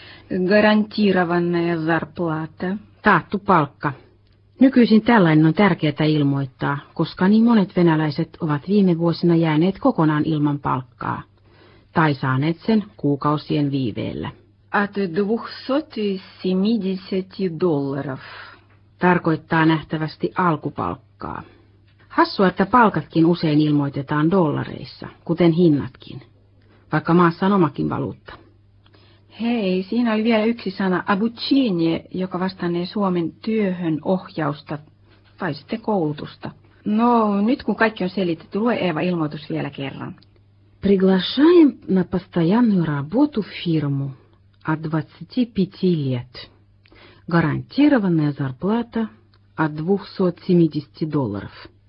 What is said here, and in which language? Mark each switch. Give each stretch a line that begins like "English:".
Russian: Гарантированная зарплата.
Finnish: Taattu palkka. Nykyisin tällainen on tärkeää ilmoittaa, koska niin monet venäläiset ovat viime vuosina jääneet kokonaan ilman palkkaa. Tai saaneet sen kuukausien viiveellä.
Russian: От 270 долларов.
Finnish: Tarkoittaa nähtävästi alkupalkkaa. Hassua, että palkatkin usein ilmoitetaan dollareissa, kuten hinnatkin, vaikka maassa on omakin valuutta. Hei, siinä oli vielä yksi sana, abucinie, joka vastannee Suomen työhön ohjausta tai sitten koulutusta. No, nyt kun kaikki on selitetty, lue Eeva ilmoitus vielä kerran.
Russian: Приглашаем на постоянную работу в фирму от 25 лет. Гарантированная зарплата от 270 долларов.